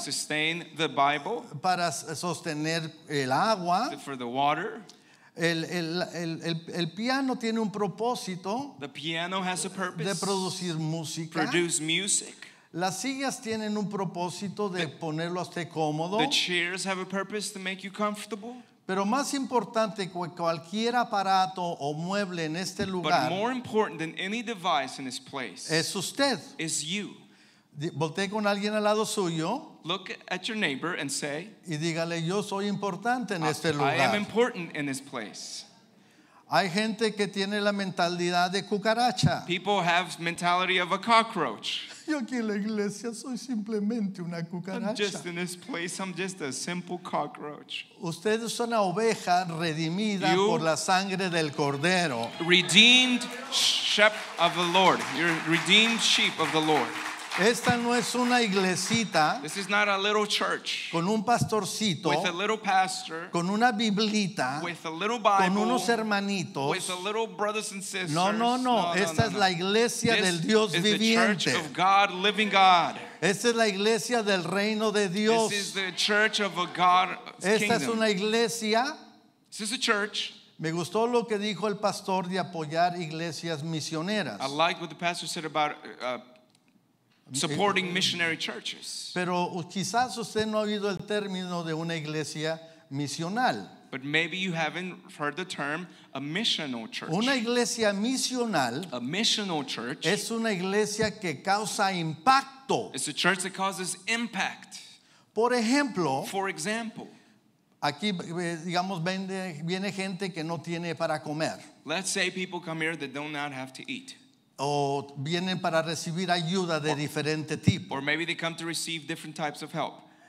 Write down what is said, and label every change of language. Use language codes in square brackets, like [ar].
[en] Sustain the Bible. [es] Para sostener el agua. [en] For the water. [es] El piano tiene un propósito. [en] The piano has a purpose. [es] De producir música. [en] Produce music. [es] Las sillas tienen un propósito de ponerlo a usted cómodo. [en] The chairs have a purpose to make you comfortable. [es] Pero más importante que cualquier aparato o mueble en este lugar. [en] But more important than any device in this place. [es] Es usted. [en] Is you. [es] Voltee con alguien al lado suyo. [en] Look at your neighbor and say, [es] y dígale, yo soy importante en este lugar. [en] I am important in this place. [es] Hay gente que tiene la mentalidad de cucaracha. [en] People have mentality of a cockroach. [es] Yo aquí en la iglesia soy simplemente una cucaracha. [en] I'm just in this place, I'm just a simple cockroach. [es] Usted es una oveja redimida por la sangre del cordero. [en] Redeemed sheep of the Lord. You're redeemed sheep of the Lord. [es] Esta no es una iglesita. [en] This is not a little church. [es] Con un pastorcito. [en] With a little pastor. [es] Con una biblita. [en] With a little Bible. [es] Con unos hermanitos. [en] With a little brothers and sisters. [es] No. Esta es la iglesia del Dios viviente. [en] This is the church of God, living God. [es] Esta es la iglesia del reino de Dios. [en] This is the church of a God's kingdom. [es] Esta es una iglesia. [en] This is a church. [es] Me gustó lo que dijo el pastor de apoyar iglesias misioneras. [en] I like what the pastor said about supporting missionary churches. [es] Pero quizás usted no ha oído el término de una iglesia misional. [en] But maybe you haven't heard the term a missional church. [es] Una iglesia misional, [en] a missional church, [es] es una iglesia que causa impacto. [en] It's a church that causes impact. [es] Por ejemplo, [en] for example, [es] aquí digamos viene gente que no tiene para comer. [en] Let's say people come here that do not have to eat. [es] O vienen para recibir ayuda de diferente tipo. [en] Or maybe they come to receive different types of help.